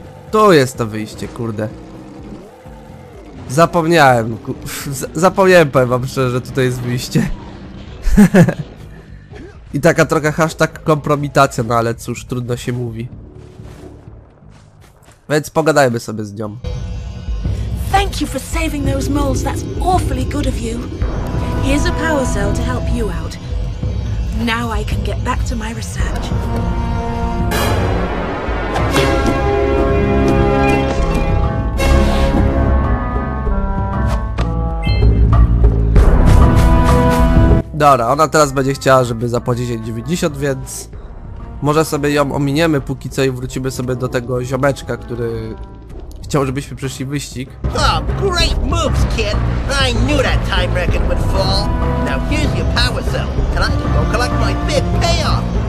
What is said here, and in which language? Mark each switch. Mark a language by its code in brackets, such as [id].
[pl] Tu jest to wyjście, kurde. Zapomniałem, zapomniałem, powiem wam szczerze, że tutaj jest wyjście. I taka trochę hashtag kompromitacja, no ale cóż, trudno się mówi. Więc pogadajmy sobie z nią. [en] Thank you for saving those moles, that's awfully good of you. Here's a power cell to help you out. Now I can get back to my research. [pl] Dobra, ona teraz będzie chciała, żeby zapłacić 90, więc może sobie ją ominiemy póki co i wrócimy sobie do tego ziomeczka, który chciał, żebyśmy przeszli wyścig. [en] Oh, great moves, kid. I knew that time record would fall. Now here's your power cell, and I can go collect my big payoff.